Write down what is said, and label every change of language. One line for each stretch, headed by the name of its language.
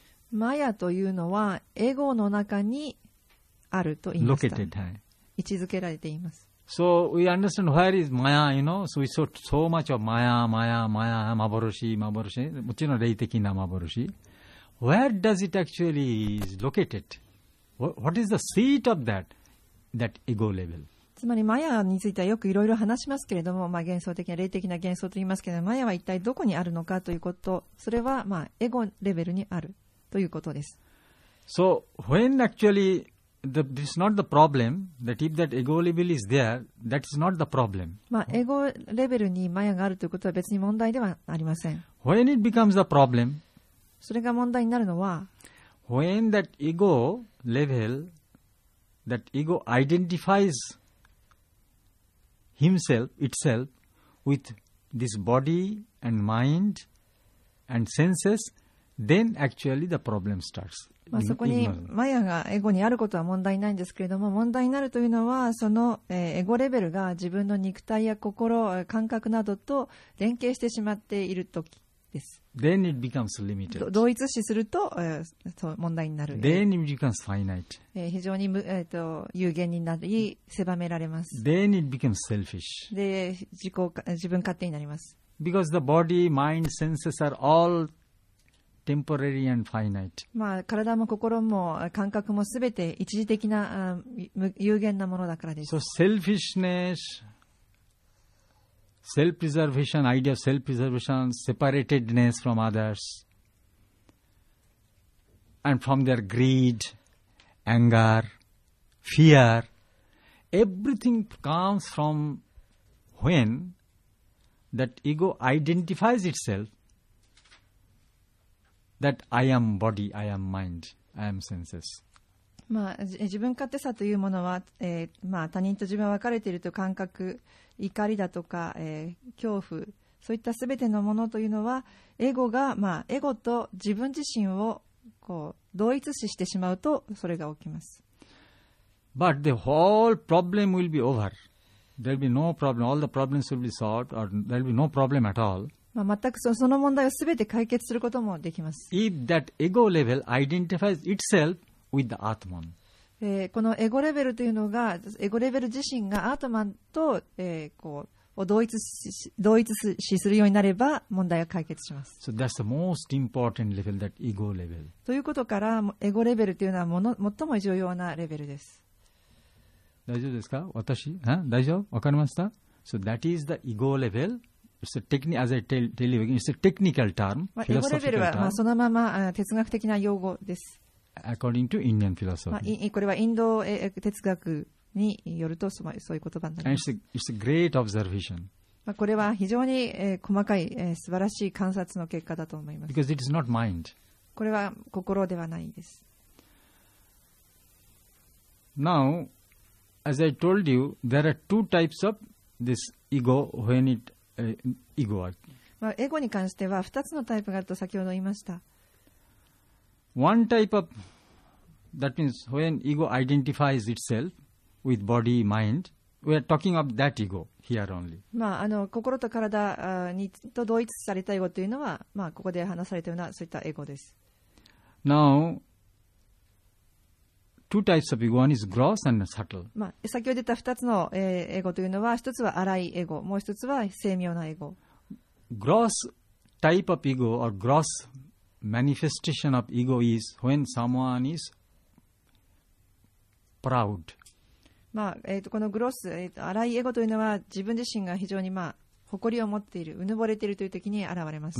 Japanese: マヤというのはエゴの中にあると言いました。
English: Located,
Japanese: はい、位置づけられています。
English: So we understand where is Maya, you know. So we saw so much of Maya, Maya, Maya, Maboroshi, Maboroshi.
Japanese: もちろん霊的な Maboroshi。
English: Where does it actually is located? What is the seat of that ego level?
Japanese: つまりマヤについてはよくいろいろ話しますけれども、まあ、幻想的な霊的な幻想と言いますけど、マヤは一体どこにあるのかということ、それはまあエゴレベルにあるということです。
English: So when actually this is not the problem, that if that ego level is there, that is not the problem.
Japanese: まあエゴレベルにマヤがあるということは別に問題ではありません。
English: When it becomes the problem,
Japanese: それが問題になるのは、
English: when that ego level, that ego identifies himself, itself, with this body and mind and senses, then actually the problem starts.
Japanese: まあそこにマヤがエゴにあることは問題ないんですけれども、問題になるというのは、そのエゴレベルが自分の肉体や心、感覚などと連携してしまっているとき。
English: Then it becomes limited.
Japanese: 同一視すると、問題になる。
English: Then it becomes finite.
Japanese: 非常に有限になり、狭められます。
English: Then it becomes selfish.
Japanese: で、自分勝手になります。
English: Because the body, mind, senses are all temporary and finite. まあ、体も心も感覚もすべて一時的な、有限なものだからです。 So selfishness. Self-preservation, idea of self-preservation, separatedness from others, and from their greed, anger, fear, everything comes from when that ego identifies itself that I am body, I am mind, I am senses.
Japanese: まあ、自分勝手さというものは、まあ、他人と自分は分かれているという感覚、怒りだとか、恐怖、そういったすべてのものというのはエゴが、まあ、エゴと自分自身をこう同一視してしまうとそれが起きます。
English: But the whole problem will be over. There will be no problem. All the problems will be solved, or there will be no problem at all.
Japanese: まあ、全くその問題をすべて解決することもできます。
English: If that ego level identifies itselfWith the Atman.
Japanese: このエゴレベルというのが、エゴレベル自身がアートマンと、こう同一視するようになれば問題は解決します。
English: So that's the most important level, that ego level.
Japanese: ということから、エゴレベルというのは最も重要なレベルです。大丈夫ですか？私？大丈夫？わかりました？
English: So that is the ego level. It's a technique, as I tell you again, it's a technical term.
Japanese: エゴレベルは、まあ、そのまま哲学的な用語です。
English: According to Indian philosophy.
Japanese: まあ、これはインド哲学によるとそういう言葉になります。
English: And it's a great observation.
Japanese: まあ、これは非常に細かい素晴らしい観察の結果だと思います。
English: Because it is not mind.
Japanese: これは心ではないです。
English: Now, as I told you, there are two types of this ego when it ego.
Japanese: まあ、エゴに関しては2つのタイプがあると先ほど言いました。
English: One type of, that means when ego identifies itself with body, mind, We are talking of that ego here only.
Japanese: まあ、あの心と体にと同一されたエゴというのは、まあ、ここで話されたようなそういったエゴです。
English: Now, two types of ego. One is gross and subtle.
Japanese: まあ、先ほど出た二つの、エゴというのは、一つは荒いエゴ、もう一つは精妙なエゴ。
English: Gross type of ego or gross manifestation of ego is when someone is proud.
Japanese: まあこのグロス、荒いエゴというのは自分自身が非常に、まあ、誇りを持っている、うぬぼれているという時に現れます。